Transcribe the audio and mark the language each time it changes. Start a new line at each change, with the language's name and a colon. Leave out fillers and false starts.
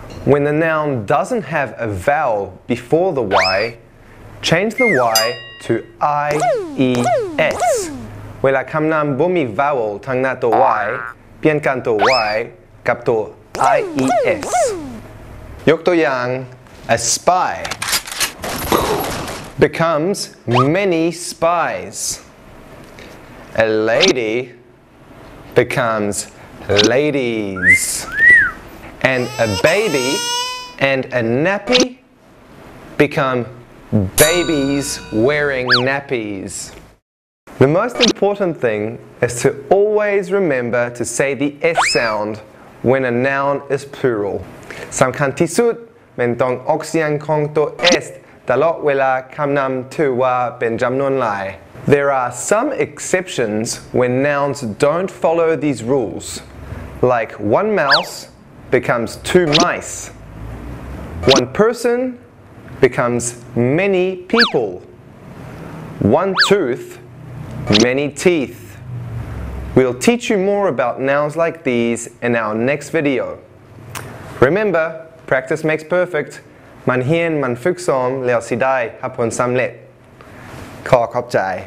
English: When a noun doesn't have a vowel before the Y, change the Y to I-E-S.
Thai: เวลาคำนามบ่มี vowel ทางหน้าตัว Y, เปลี่ยนกันตัว Y กับตัว I-E-S. ยกตัวอย่าง
English: a spy. Becomes many spies. A lady becomes ladies. And a baby and a nappy become babies wearing nappies. The most important thing is to always remember to say the S sound when a noun is plural.
Thai: สำคัญที่สุดมันต้องออกเสียงของตัว Sตลอดเวลาคำนามถือว่าเป็นจำนวนหลาย
English: There are some exceptions when nouns don't follow these rules. Like one mouse becomes two mice. One person becomes many people. One tooth, many teeth. We'll teach you more about nouns like these in our next video. Remember, practice makes perfect.
Thai: มันเฮียนมันฝึกซ้อมแล้วสิได้ครับผลสำเร็จขอบใจ